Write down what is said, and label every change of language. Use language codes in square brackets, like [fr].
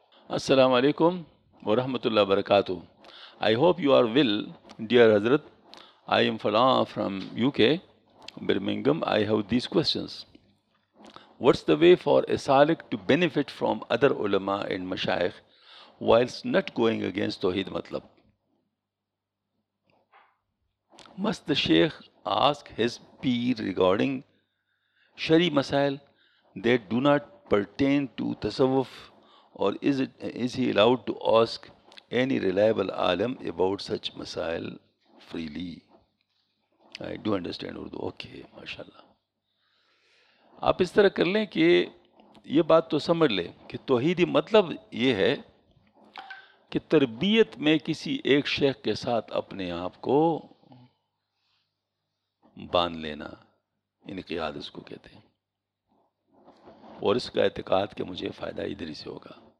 [en] السلام علیکم ورحمۃ اللہ وبرکاتہ، I hope you are well dear حضرت، آئی ایم فلاں from U K Birmingham, I have these questions, what's the way for a سالک ٹو بینیفٹ فرام ادر علماء اینڈ مشائخ وائلس ناٹ گوئنگ اگینسٹ توحید، مطلب must the Sheikh ask his peer regarding shari masail that do not pertain to tasawwuf, or is he allowed to ask any reliable alim about such masail freely? I do understand Urdu. Okay, mashallah. [ur] آپ اس طرح کر لیں کہ یہ بات تو سمجھ لیں کہ توحیدی مطلب یہ ہے کہ تربیت میں کسی ایک شیخ کے ساتھ اپنے آپ کو باندھ لینا, انقیاد اس کو کہتے ہیں, اور اس کا اعتقاد کہ مجھے فائدہ ادھر ہی سے ہوگا.